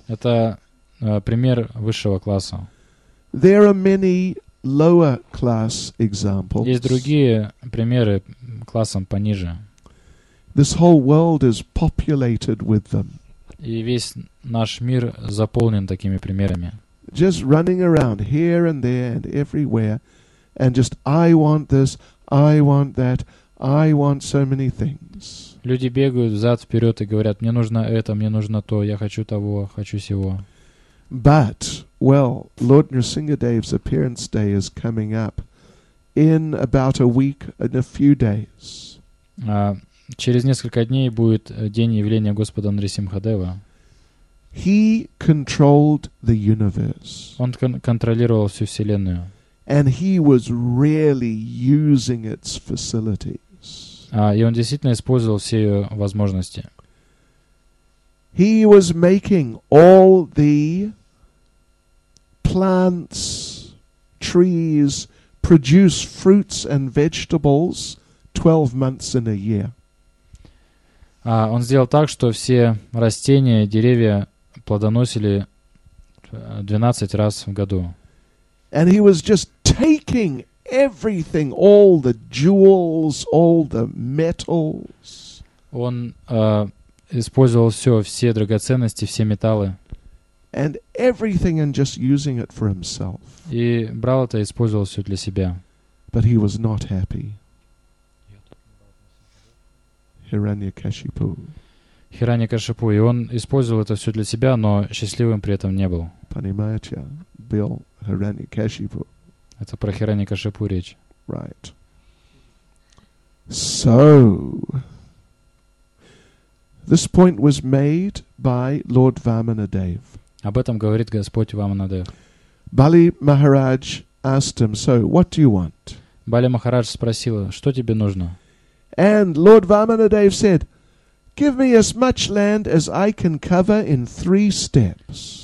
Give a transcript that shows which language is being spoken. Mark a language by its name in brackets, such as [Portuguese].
[Russian] Это пример высшего класса. [English] There are many lower-class examples. [Russian] Есть другие примеры классом пониже. [English] This whole world is populated with them. [Russian] И весь наш мир заполнен такими примерами. [English] Just running around here and there and everywhere, and just I want this, I want that, I want so many things. [Russian] Люди бегают взад вперед и говорят: мне нужно это, мне нужно то, я хочу того, хочу сего. [English] But well, Lord Nrisingadev's appearance day is coming up in about a week, in a few days. [Russian] Через несколько дней будет день явления Господа Нрисимхадева. [English] He controlled the universe. [Russian] Он контролировал всю Вселенную. [English] And he was really using its facilities. [Russian] И он действительно использовал все ее возможности. [English] He was making all the plants, trees produce fruits and vegetables 12 months in a year. [Russian] Он сделал так, что все растения, деревья плодоносили 12 раз в году. [English] And he was just taking everything, all the jewels, all the metals. [Russian] Он использовал все, все драгоценности, все металлы. [English] And everything and just using it for himself. [Russian] И брал это и использовал все для себя. [English] But he was not happy. Hiranyakashipu. Hiranyakashipu. [Russian] И он использовал это все для себя, но счастливым при этом не был. Понимаете? Был Hiranyakashipu. Это про Hiranyakashipu речь. [English] Right. So, this point was made by Lord Vamanadev. [Russian] Об этом говорит Господь Вамана Дев. [English] Бали Махарадж asked him, "So, what do you want?" [Russian] Бали Махарадж спросил: "Что тебе нужно?" [English] And Lord Vamanadeva said, "Give me as much land as I can cover in 3 steps."